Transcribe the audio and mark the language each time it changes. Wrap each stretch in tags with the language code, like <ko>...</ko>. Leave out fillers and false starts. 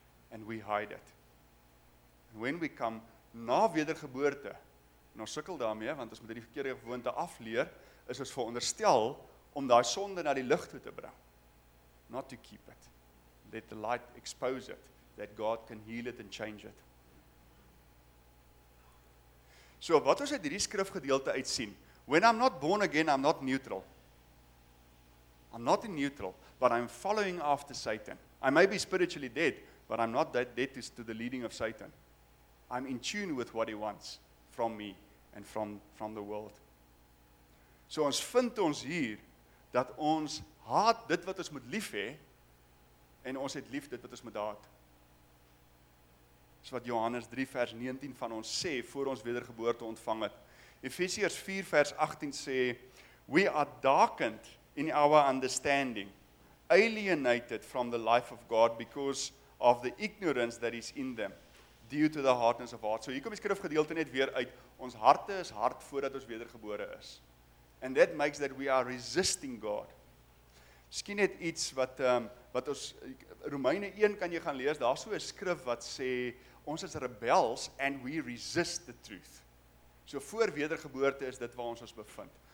<en>And we hide it. And when we come</en> <af>na wedergeboorte, en ons sukkel daarmee, want ons moet die verkeerde gewoonte afleer, is ons veronderstel om daai sonde na die lig toe te bring.</af> <en>Not to keep it. Let the light expose it, that God can heal it and change it.</en> <af>So wat ons uit hierdie skrifgedeelte uitsien,</af> <en>when I'm not born again, I'm not neutral. I'm not in neutral, but I'm following after Satan. I may be spiritually dead, but I'm not that dead to the leading of Satan. I'm in tune with what he wants from me and from the world.</en> <af>So ons vind ons hier, dat ons haat dit wat ons moet lief hê, en ons het lief dit wat ons moet haat. Dis wat Johannes 3 vers 19 van ons sê, voor ons wedergeboorte ontvang het. Efesiërs 4 vers 18 sê,</af> <en>We are darkened in our understanding, alienated from the life of God because of the ignorance that is in them, due to the hardness of heart.</en> <af>So hier kom die skrifgedeelte net weer uit, ons harte is hard voordat ons wedergebore is.</af> <en>And that makes that we are resisting God.</en> <af>Miskien net iets wat wat ons Romeine 1 kan jy gaan lees, daar's so 'n skrif wat sê ons is</af> <en>rebels and we resist the truth.</en> <af>So voor wedergeboorte is dit waar ons bevind.</af>